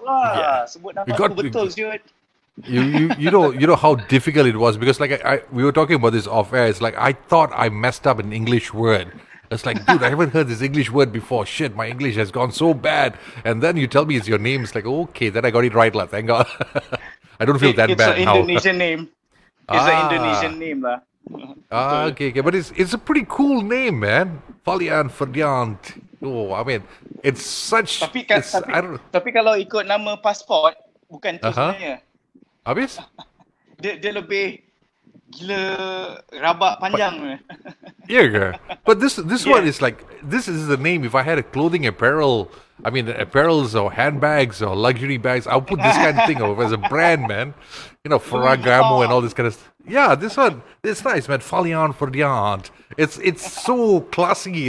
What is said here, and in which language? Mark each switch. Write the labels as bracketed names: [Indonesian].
[Malay] Wah, sebut nama aku betul, dude. [English] You know how difficult it was, because like we were talking about this off air. It's like I thought I messed up an English word. It's like, dude, I haven't heard this English word before. Shit, my English has gone so bad. And then you tell me it's your name. It's like, okay, then I got it right, lah. Thank God. I don't feel that bad. It's an Indonesian name. Okay. But it's a pretty cool name, man. Falian Ferdian. Oh, I mean, it's such. [Malay] Tapi kalau ikut nama pasport, bukan tu sebenarnya. Habis? dia lebih gila rabak panjang. [English] But this one is like, this is the name. If I had a clothing apparel, I mean, apparels or handbags or luxury bags, I'll put this kind of thing over as a brand, man. You know, Ferragamo and all this kind of stuff. Yeah, this one, it's nice, man. Falian Ferdian. It's so classy.